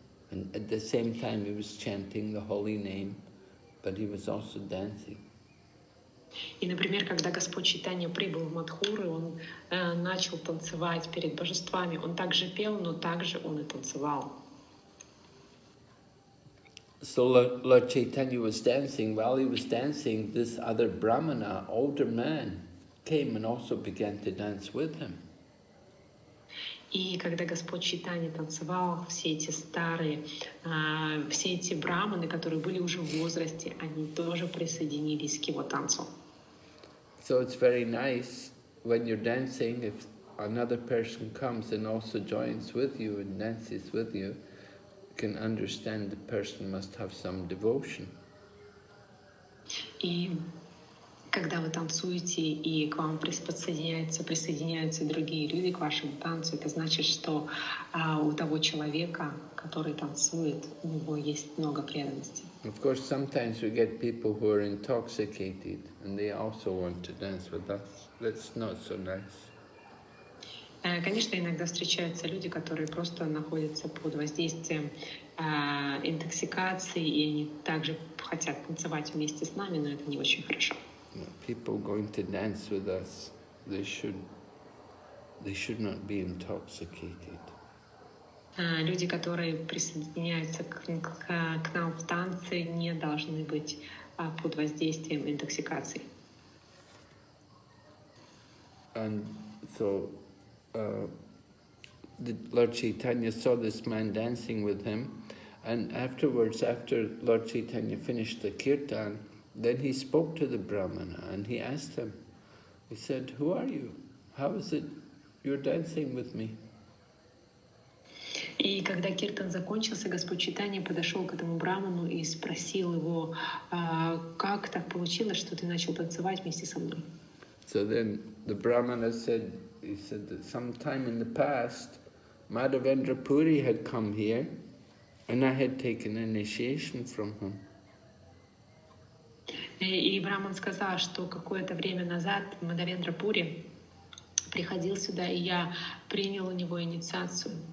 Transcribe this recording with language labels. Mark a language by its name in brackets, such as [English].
[English] And at the same time he was chanting the holy name, but he was also dancing. [Russian] И, например, когда Господь Чайтанья прибыл в Матхуру, он начал танцевать перед божествами. Он также пел, но также он и танцевал. [English] So Lord Chaitanya was dancing. While he was dancing, this other brahmana, older man, came and also began to dance with him. [Russian] И когда Господь Чайтанья танцевал, все эти старые, все эти брахманы, которые были уже в возрасте, они тоже присоединились к его танцу. [English] So it's very nice when you're dancing, if another person comes and also joins with you and dances with you, you can understand the person must have some devotion. [Russian] И когда вы танцуете и к вам присоединяются другие люди к вашему танцу, это значит, что у того человека, который танцует, у него есть много преданности. [English] Of course, sometimes we get people who are intoxicated and they also want to dance with us. That's not so nice. [Russian] Конечно, иногда встречаются люди, которые просто находятся под воздействием интоксикации, и они также хотят танцевать вместе с нами, но это не очень хорошо. [English] People going to dance with us, they should not be intoxicated. [Russian] Люди, которые присоединяются к нам в танце, не должны быть под воздействием интоксикации. [English] And so Lord Chaitanya saw this man dancing with him, and afterwards, after Lord Chaitanya finished the kirtan, then he spoke to the brahmana and he asked him. He said, "Who are you? How is it you're dancing with me?" [Russian] И когда киртан закончился, Господь Чайтанья подошел к этому брахману и спросил его, как так получилось, что ты начал танцевать вместе со мной. [English] So then the brahmana said, he said that sometime in the past, Madhavendra Puri had come here, and I had taken initiation from him. [Russian] И брахман сказал, что какое-то время назад Мадхавендра Пури приходил сюда, и я принял у него инициацию.